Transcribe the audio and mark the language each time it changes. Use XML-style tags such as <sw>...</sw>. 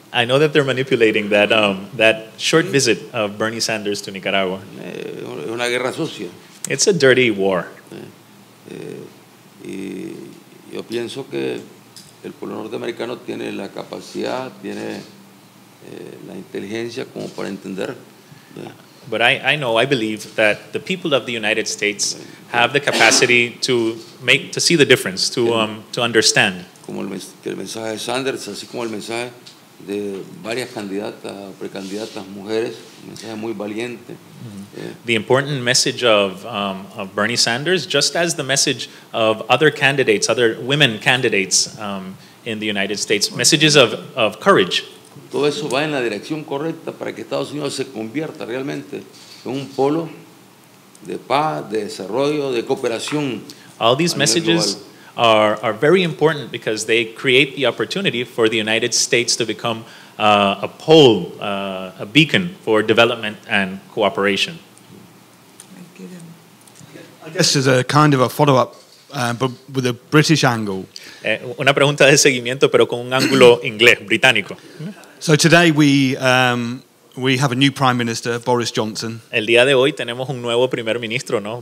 <en>I know that they're manipulating that short visit of Bernie Sanders to Nicaragua.</en> <es>Es una guerra sucia.</es> <en>It's a dirty war.</en> <es>Y yo pienso que el pueblo norteamericano tiene la capacidad, tiene la inteligencia como para entender.</es> <en>But I believe that the people of the United States have the capacity to see the difference, to understand.</en> <es>Como el mensaje de Sanders, así como el mensaje de varias candidatas, precandidatas, mujeres, un mensaje muy valiente.</es> <en>The important message of Bernie Sanders, just as the message of other candidates, other women candidates in the United States, messages of courage.</en> <es>Todo eso va en la dirección correcta para que Estados Unidos se convierta realmente en un polo de paz, de desarrollo, de cooperación.</es> <en>All these messages are very important because they create the opportunity for the United States to become a pole, a beacon for development and cooperation. I guess as a kind of a follow-up, but with a British angle.</en> <es>Una pregunta de seguimiento, pero con un ángulo inglés, británico.</es> <en>So today we have a new Prime Minister, Boris Johnson.</en> <es>El día de hoy tenemos un nuevo primer ministro, ¿no?</es>